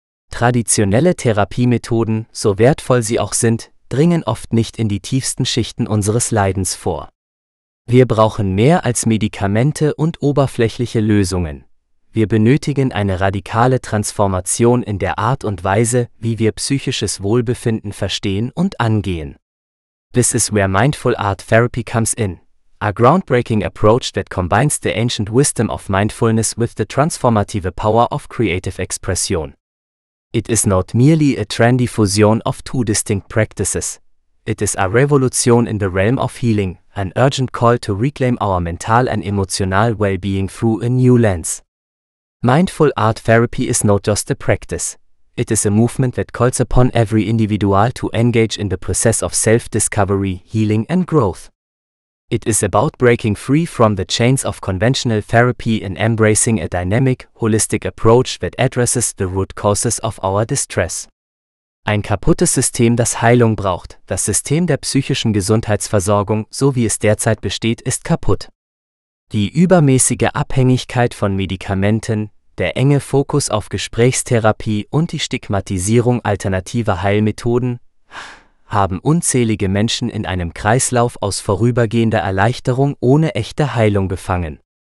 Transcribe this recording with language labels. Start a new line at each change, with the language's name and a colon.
German: Traditionelle Therapiemethoden, so wertvoll sie auch sind, dringen oft nicht in die tiefsten Schichten unseres Leidens vor. Wir brauchen mehr als Medikamente und oberflächliche Lösungen. Wir benötigen eine radikale Transformation in der Art und Weise, wie wir psychisches Wohlbefinden verstehen und angehen.
English: This is where Mindful Art Therapy comes in. A groundbreaking approach that combines the ancient wisdom of mindfulness with the transformative power of creative expression. It is not merely a trendy fusion of two distinct practices. It is a revolution in the realm of healing, an urgent call to reclaim our mental and emotional well-being through a new lens. Mindful Art Therapy is not just a practice. It is a movement that calls upon every individual to engage in the process of self-discovery, healing and growth. It is about breaking free from the chains of conventional therapy and embracing a dynamic, holistic approach that addresses the root causes of our distress.
German: Ein kaputtes System, das Heilung braucht, das System der psychischen Gesundheitsversorgung, so wie es derzeit besteht, ist kaputt. Die übermäßige Abhängigkeit von Medikamenten, der enge Fokus auf Gesprächstherapie und die Stigmatisierung alternativer Heilmethoden haben unzählige Menschen in einem Kreislauf aus vorübergehender Erleichterung ohne echte Heilung gefangen.